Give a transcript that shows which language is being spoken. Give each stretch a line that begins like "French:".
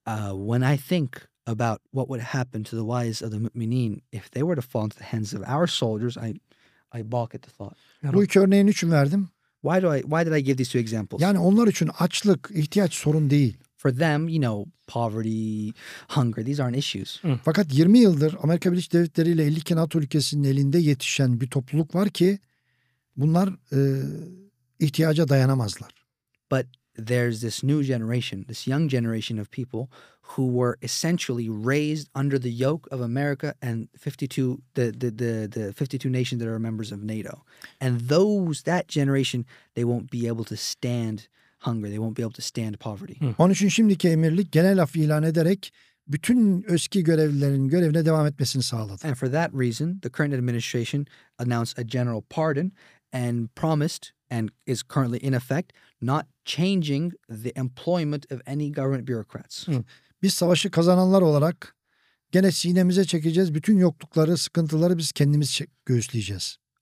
English: When I think about what would happen to the wives of the mu'minin if they were to fall into the hands of our soldiers, I balk at the thought.
Turkish: Bu iki örneği niçin verdim?
English: Why did I give these two examples?
Turkish: Yani onlar için açlık ihtiyaç sorun değil.
English: For them, you know, poverty, hunger, these aren't issues.
Turkish: Fakat 20 yıldır Amerika Birleşik Devletleri ile 52 NATO ülkesinin elinde yetişen bir topluluk var ki bunlar ihtiyaca dayanamazlar.
English: But there's this new generation, this young generation of people who were essentially raised under the yoke of America and 52 the 52 nations that are members of NATO, and that generation, they won't be able to stand hunger, they won't be able to stand poverty.
Turkish: Onun için şimdiki emirlik genel af ilan ederek bütün eski görevlilerin görevine devam etmesini sağladı.
English: And for that reason, the current administration announced a general pardon and promised and is currently in effect not changing the employment of any government bureaucrats.
Turkish: Biz savaşı kazananlar olarak gene sinemize çekeceğiz. Bütün yoklukları, sıkıntıları biz kendimiz göğüsleyeceğiz.